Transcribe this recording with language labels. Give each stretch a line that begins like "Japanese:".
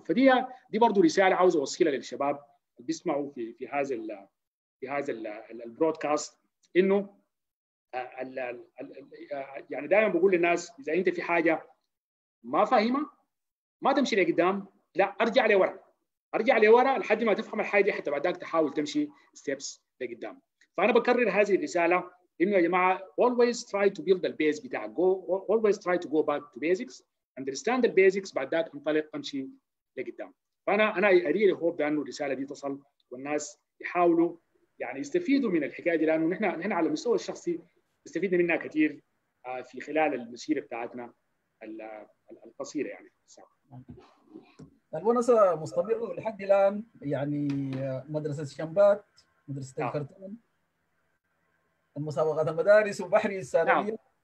Arabic: فدي برضو رساله عاوز اوصلها للشباب اللي بيسمعوا في هذا البرودكاست، انه يعني دائما بقول للناس اذا انت في حاجه ما فاهمها ما تمشي لقدام، لا ارجع لورا ارجع لورا لحد ما تفهم الحاجه دي، حتى بعدك تحاول تمشي ستيبس لقدام. فانا بكرر هذه الرساله انه يا جماعه
English: always try to build the base
Arabic: بتاع go
English: always try to go back to basics understand the basics
Arabic: بعد ذلك انطلق امشي لقدام. فانا
English: really hope
Arabic: بانه الرساله دي تصل والناس يحاولوا يعني يستفيدوا من الحكايه دي، لانه نحن على المستوى الشخصي استفدنا منها كثير في خلال المسيره بتاعتنا القصيره يعني. الونسة مستمرة لحد الآن، يعني مدرسة شمبات، مدرسة الكرتون، المسابقات المدارس وبحري الثانوية.